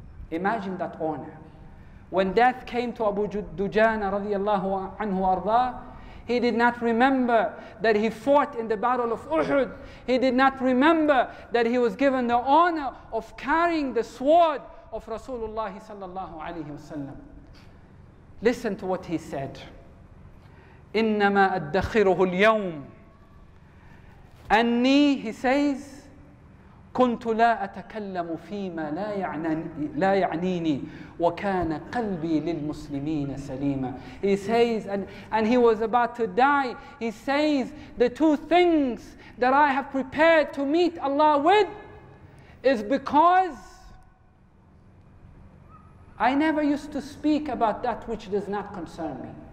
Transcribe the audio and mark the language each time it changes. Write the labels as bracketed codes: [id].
[en] Imagine that honor. When death came to Abu Dujana radiallahu anhu arda, he did not remember that he fought in the battle of Uhud. He did not remember that he was given the honor of carrying the sword of Rasulullah sallallahu alayhi wa sallam. Listen to what he said. [ar] إنما أدخره اليوم أني, [en] he says, [ar] كنت لا أتكلم فيما لا يعنيني وكان قلبي للمسلمين سليما. [en] He says, and he was about to die. He says, the two things that I have prepared to meet Allah with is because I never used to speak about that which does not concern me.